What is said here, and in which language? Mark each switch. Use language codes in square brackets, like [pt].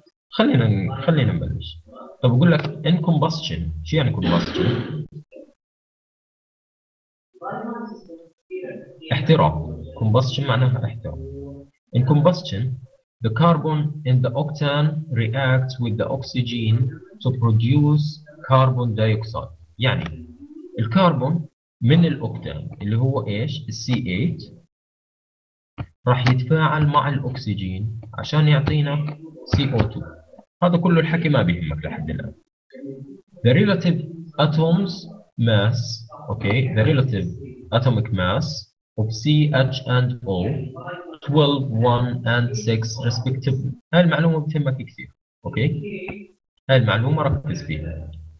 [ar] خلينا نبلش طب اقول لك ان كومبستشن شو يعني كومبستشن احتراق كومبستشن معناها احتراق ان كومبستشن [en] The carbon and the octane react with the oxygen to produce carbon dioxide. [ar] يعني الكربون من الأكتان اللي هو إيش؟ C8 راح يتفاعل مع الأكسجين عشان يعطينا CO2. هذا كل الحكي ما بيهمك لحد الآن. [en] The relative atoms mass, okay, the relative atomic mass of C, H and O 12, 1 and 6 respectively. [ar] هاي المعلومة بتهمك كثير. اوكي هاي المعلومة ركز فيها.